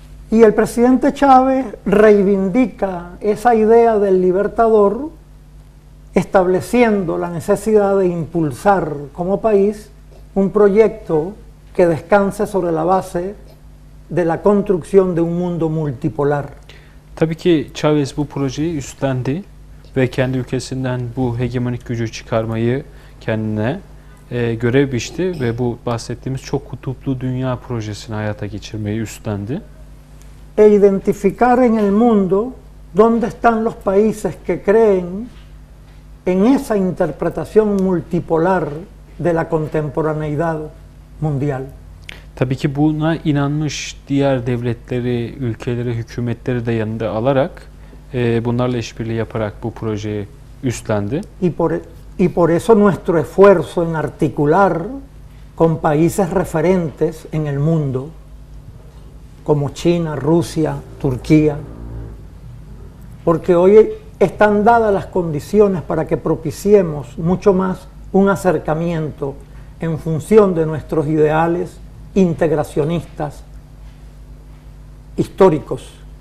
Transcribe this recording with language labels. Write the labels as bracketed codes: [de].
[es] Y el presidente Chávez reivindica esa idea del libertador estableciendo la necesidad de impulsar como país un proyecto que descanse sobre la base de la construcción de un mundo multipolar. [tr] Tabii ki Chávez bu projeyi üstlendi ve kendi ülkesinden bu hegemonik gücü çıkarmayı kendine görev biçti ve bu bahsettiğimiz çok kutuplu dünya projesini hayata geçirmeyi üstlendi. [es] E identificar en el mundo dónde están los países que creen en esa interpretación multipolar de la contemporaneidad mundial. [tr] Tabii ki buna inanmış diğer devletleri, ülkeleri, hükümetleri de yanında alarak bunlarla işbirliği yaparak bu projeyi üstlendi. [es] Y por eso nuestro esfuerzo en articular con países referentes en el mundo, como China, Rusia, Turquía, porque hoy están dadas las condiciones para que propiciemos mucho más un acercamiento en función de nuestros ideales integracionistas históricos.